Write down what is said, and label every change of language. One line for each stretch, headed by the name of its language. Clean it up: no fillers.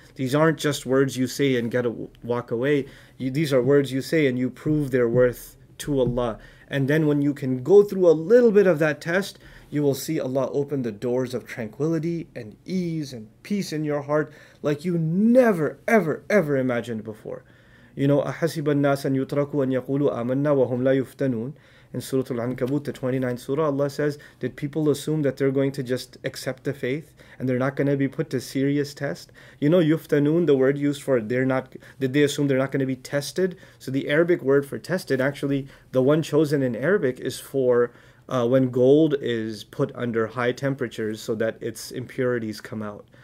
English: These aren't just words you say and walk away. These are words you say and you prove their worth to Allah. And then when you can go through a little bit of that test, you will see Allah open the doors of tranquility and ease and peace in your heart like you never, ever, ever imagined before. You know,
Arabic: أَحَسِبَ النَّاسَ أَن يُتْرَكُوا أَن يَقُولُوا آمَنَّا وَهُمْ لَا يُفْتَنُونَ.
English: In Surah Al-Ankabut, the 29th surah, Allah says, did people assume that they're going to just accept the faith and they're not going to be put to serious test? You know, yuftanun, the word used for they're not, did they assume they're not going to be tested? So the Arabic word for tested, actually, the one chosen in Arabic is for when gold is put under high temperatures so that its impurities come out.